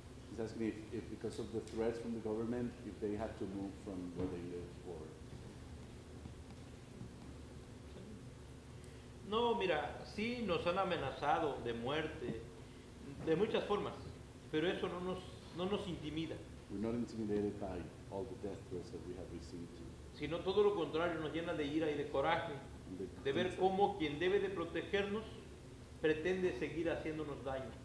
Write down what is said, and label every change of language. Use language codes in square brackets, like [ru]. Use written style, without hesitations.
[en] He's asking if because of the threats from the government, if they have to move from where they live or. [es] No, mira, sí nos han amenazado de muerte, de muchas formas, pero eso no nos intimida. [en] We're not intimidated by all the death threats that we have received. [es] Sino todo lo contrario, nos llena de ira y de coraje, de ver cómo quien debe de protegernos pretende seguir haciéndonos daño.